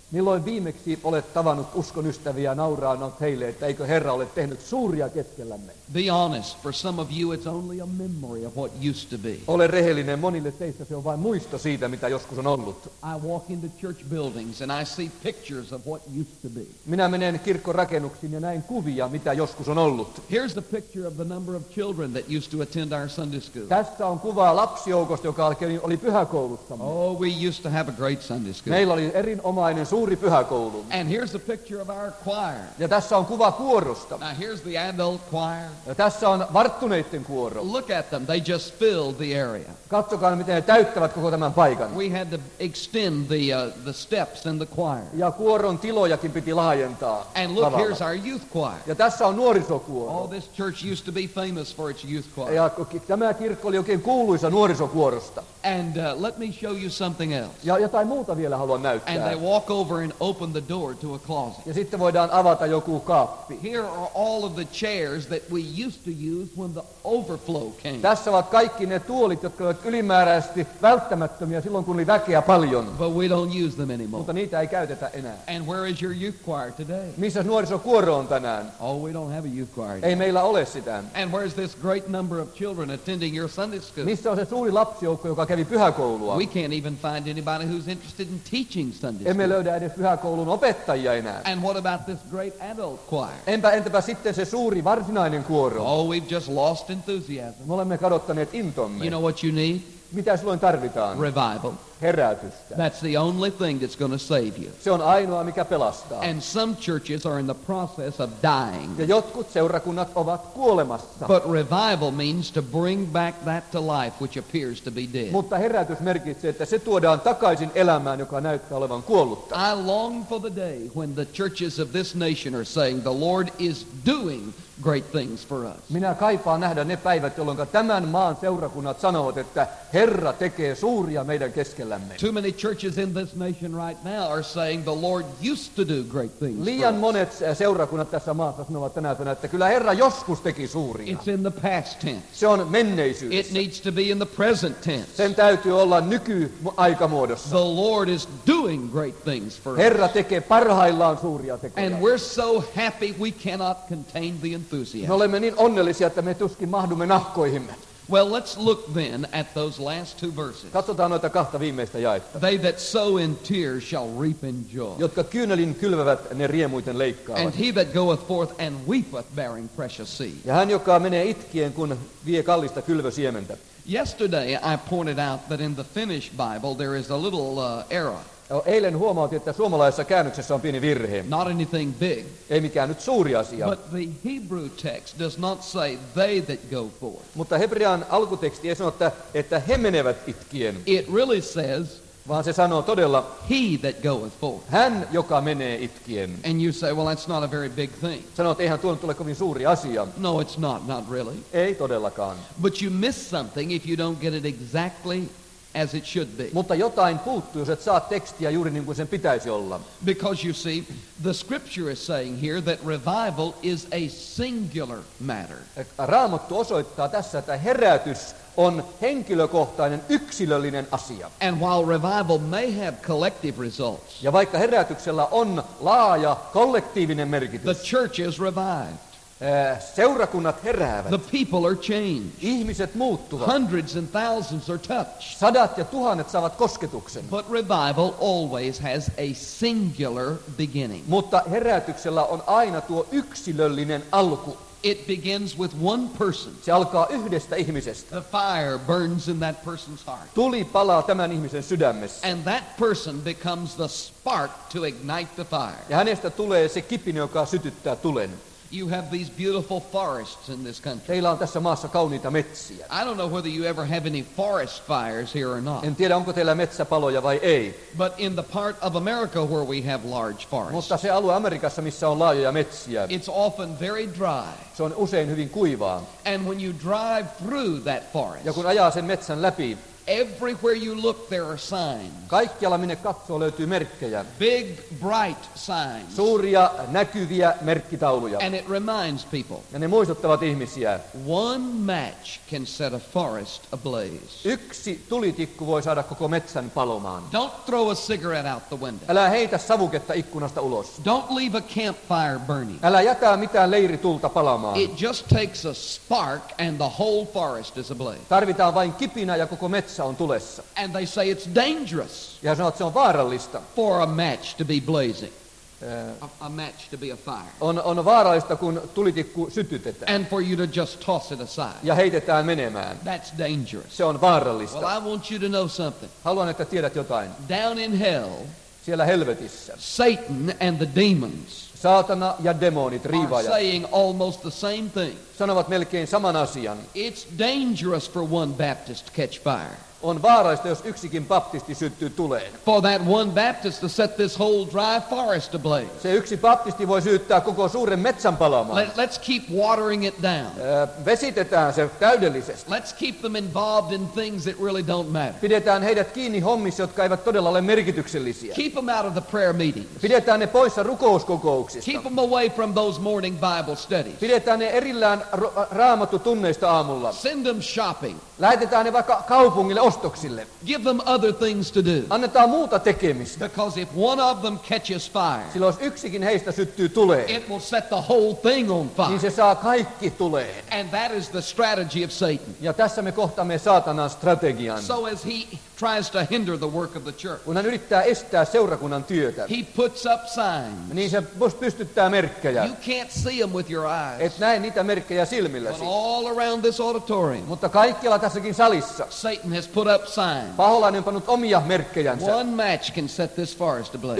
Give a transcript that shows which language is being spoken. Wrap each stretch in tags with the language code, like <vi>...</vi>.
<fi>Milloin viimeksi olet tavannut uskon ystäviä nauraanut heille, että eikö Herra ole tehnyt suuria keskellämme?</fi> <en>Be honest, for some of you it's only a memory of what used to be.</en> <fi>Ole rehellinen, monille teistä se on vain muisto siitä, mitä joskus on ollut.</fi> <en>I walk into church buildings and I see pictures of what used to be.</en> <fi>Minä menen kirkkorakennuksiin ja näen kuvia, mitä joskus on ollut.</fi> <en>Here's the picture of the number of children that used to attend our Sunday school.</en> <fi>Tässä on kuva lapsijoukosta, joka oli pyhäkoulussamme.</fi> <en>Oh, we used to have a great Sunday school.</en> <fi>Meillä oli erinomainen suuri pyhäkoulu.</fi> <en>And here's the picture of our choir.</en> <fi>Ja tässä on kuva kuorosta.</fi> <en>Now here's the adult choir.</en> <fi>Ja tässä on varttuneiden kuoro.</fi> <en>Look at them, they just filled the area.</en> <fi>Katsokaa, miten he täyttävät koko tämän paikan.</fi> <en>We had to extend the steps in the choir.</en> <fi>Ja kuoron tilojakin piti laajentaa.</fi> <en>And look, lavalla. Here's our youth choir.</en> <fi>Ja tässä on nuorisokuoro.</fi> <en>All this church used to be famous for its youth choir.</en> <fi>Ja tämä kirkko oli oikein kuuluisa nuorisokuorosta.</fi> <en>And let me show you something else.</en> <fi>Ja jotain muuta vielä haluan näyttää.</fi> <en>And they walk over and open the door to a closet.</en> <fi>Ja sitten voidaan avata joku kaappi.</fi> <en>Here are all of the chairs that we used to use when the overflow came.</en> <fi>Tässä ovat kaikki ne tuolit, jotka olivat ylimääräisesti välttämättömiä silloin, kun oli väkeä paljon.</fi> <en>But we don't use them anymore.</en> <fi>Mutta niitä ei käytetä enää.</fi> <en>And where is your youth choir today?</en> <fi>Missä nuorisokuoro on tänään?</fi> <en>Oh, we don't have a youth choir.</en> <fi>Ei meillä ole sitä.</fi> <en>And where is this great number of children attending your Sunday school?</en> <fi>Missä on se suuri lapsijoukko, joka kävi pyhäkoulua?</fi> <en>We can't even find anybody who's interested in teaching Sunday school.</en> <fi>Emme löydä edes pyhäkoulun opettajia enää.</fi> <en>And what about this great adult choir?</en> <fi>Entäpä sitten se suuri varsinainen kuoro?</fi> <en>Oh, we've just lost enthusiasm.</en> <fi>Me olemme kadottaneet intomme.</fi> <en>You know what you need?</en> <fi>Mitä silloin tarvitaan?</fi> <en>Revival.</en> <fi>Herätystä.</fi> <en>That's the only thing that's going to save you.</en> <fi>Se on ainoa, mikä pelastaa.</fi> <en>And some churches are in the process of dying.</en> <fi>Ja jotkut seurakunnat ovat kuolemassa.</fi> <en>But revival means to bring back that to life which appears to be dead.</en> <fi>Mutta herätys merkitsee, että se tuodaan takaisin elämään, joka näyttää olevan kuollutta.</fi> <en>I long for the day when the churches of this nation are saying the Lord is doing great things for us.</en> <fi>Minä kaipaan nähdä ne päivät, jolloin tämän maan seurakunnat sanovat, että Herra tekee suuria meidän keskellämme.</fi> <en>Too many churches in this nation right now are saying the Lord used to do great things.</en> <fi>Liian monet seurakunnat tässä maassa sanovat tänä päivänä, että kyllä Herra joskus teki suuria.</fi> <en>It's in the past tense.</en> <fi>Se on menneisyydessä.</fi> <en>It needs to be in the present tense.</en> <fi>Sen täytyy olla nykyaikamuodossa.</fi> <en>The Lord is doing great things for us.</en> <fi>Herra tekee parhaillaan suuria tekoja.</fi> <en>And we're so happy we cannot contain the enthusiasm.</en> <fi>Me olemme niin onnellisia, että me tuskin mahdumme nahkoihimme.</fi> <en>Well, let's look then at those last two verses.</en> <fi>Katsotaan noita kahta viimeistä jaetta.</fi> <en>They that sow in tears shall reap in joy.</en> <fi>Jotka kyynelin kylvävät, ne riemuiten leikkaavat.</fi> <en>And he that goeth forth and weepeth, bearing precious seed.</en> <fi>Ja hän, joka menee itkien, kun vie kallista kylvösiementä.</fi> <en>Yesterday I pointed out that in the Finnish Bible there is a little error.</en> <fi>Eilen huomautin, että suomalaisessa käännöksessä on pieni virhe.</fi> <en>Not anything big.</en> <fi>Ei mikään nyt suuri asia.</fi> <en>But the Hebrew text does not say they that go forth.</en> <fi>Mutta hebrean alkuteksti ei sano, että he menevät itkien.</fi> <en>It really says</en> <fi>Vaan se sanoo todella,</fi> <en>he that goeth forth.</en> <fi>Hän, joka menee itkien.</fi> <en>And you say, well, that's not a very big thing.</en> <fi>Sanoit, eihän tuo nyt ole kovin suuri asia.</fi> <en>No, it's not, not really.</en> <fi>Ei todellakaan.</fi> <en>But you miss something if you don't get it exactly as it should be.</en> <fi>Mutta jotain puuttuu, jos et saa tekstiä juuri niin kuin sen pitäisi olla.</fi> <en>Because you see, the scripture is saying here that revival is a singular matter.</en> <fi>Raamattu osoittaa tässä, että herätys on henkilökohtainen, yksilöllinen asia.</fi> <en>And while revival may have collective results,</en> <fi>ja vaikka herätyksellä on laaja, kollektiivinen merkitys,</fi> <en>the church is revived.</en> <fi>Seurakunnat heräävät.</fi> <en>The people are changed.</en> <fi>Ihmiset muuttuvat.</fi> <en>Hundreds and thousands are touched.</en> <fi>Sadat ja tuhannet saavat kosketuksen.</fi> <en>But revival always has a singular beginning.</en> <fi>Mutta herätyksellä on aina tuo yksilöllinen alku.</fi> <en>It begins with one person.</en> <fi>Se alkaa yhdestä ihmisestä.</fi> <en>The fire burns in that person's heart.</en> <fi>Tuli palaa tämän ihmisen sydämessä.</fi> <en>And that person becomes the spark to ignite the fire.</en> <fi>Ja hänestä tulee se kipinä, joka sytyttää tulen.</fi> <en>You have these beautiful forests in this country.</en> <fi>Teillä on tässä maassa kauniita metsiä.</fi> <en>I don't know whether you ever have any forest fires here or not.</en> <fi>En tiedä, onko teillä metsäpaloja vai ei.</fi> <en>But in the part of America where we have large forests.</en> <fi>Mutta se alue Amerikassa, missä on laajoja metsiä.</fi> <en>It's often very dry.</en> <fi>Se on usein hyvin kuivaa.</fi> <en>And when you drive through that forest.</en> <fi>Ja kun ajaa sen metsän läpi.</fi> <en>Everywhere you look, there are signs.</en> <fi>Kaikkialla minne katsoo, löytyy merkkejä.</fi> <en>Big, bright signs.</en> <fi>Suuria, näkyviä merkkitauluja.</fi> <en>And it reminds people.</en> <fi>Ja ne muistuttavat ihmisiä.</fi> <en>One match can set a forest ablaze.</en> <fi>Yksi tulitikku voi saada koko metsän palomaan.</fi> <en>Don't throw a cigarette out the window.</en> <fi>Älä heitä savuketta ikkunasta ulos.</fi> <en>Don't leave a campfire burning.</en> <fi>Älä jätä mitään leiritulta palamaan.</fi> <en>It just takes a spark and the whole forest is ablaze.</en> <fi>Tarvitaan vain kipinä ja koko metsä on tulessa.</fi> <en>And they say it's dangerous.</en> <fi>Ja sanot, se on vaarallista.</fi> <en>For a match to be blazing. A match to be a fire.</en> <fi>On vaarallista, kun tulitikku sytytetään.</fi> <en>And for you to just toss it aside.</en> <fi>Ja heitetään menemään.</fi> <en>That's dangerous.</en> <fi>Se on vaarallista.</fi> <en>Well, I want you to know something.</en> <fi>Haluan, että tiedät jotain.</fi> <en>Down in hell.</en> <fi>Siellä helvetissä.</fi> <en>Satan and the demons.</en> <fi>Saatana ja demonit, riivaajat.</fi> <en>Are saying almost the same thing.</en> <fi>Sanovat melkein saman asian.</fi> <en>It's dangerous for one Baptist to catch fire.</en> <fi>On vaarallista, jos yksikin baptisti syttyy tuleen.</fi> <en>For that one Baptist to set this whole dry forest ablaze.</en> <fi>Se yksi baptisti voi syyttää koko suuren metsän palaamaan.</fi> <en>Let's keep watering it down.</en> <fi>Vesitetään se täydellisesti.</fi> <en>Let's keep them involved in things that really don't matter.</en> <fi>Pidetään heidät kiinni hommissa, jotka eivät todella ole merkityksellisiä.</fi> <en>Keep them out of the prayer meetings.</en> <fi>Pidetään ne poissa rukouskokouksista.</fi> <en>Keep them away from those morning Bible studies.</en> <fi>Pidetään ne erillään raamattutunneista aamulla.</fi> <en>Send them shopping.</en> <fi>Lähetetään ne vaikka kaupungille ostoksille.</fi> <en>Give them other things to do.</en> <fi>Annetaan muuta tekemistä.</fi> <en>Because if one of them catches fire.</en> <fi>Sillä jos yksikin heistä syttyy tuleen.</fi> <en>It will set the whole thing on fire.</en> <fi>Niin se saa kaikki tuleen.</fi> <en>And that is the strategy of Satan.</en> <fi>Ja tässä me kohtaamme saatanan strategian.</fi> <en>So as he tries to hinder the work of the church.</en> <fi>Kun hän yrittää estää seurakunnan työtä.</fi> <en>He puts up signs.</en> <fi>Niin se pystyttää merkkejä.</fi> <en>You can't see them with your eyes.</en> <fi>Et näe niitä merkkejä silmilläsi.</fi> <en>But all around this auditorium.</en> <fi>Mutta kaikkialla tässäkin salissa.</fi> <en>Satan has put up signs.</en> <fi>Paholainen on pannut omia merkkejänsä.</fi> <en>One match can set this forest ablaze.</en>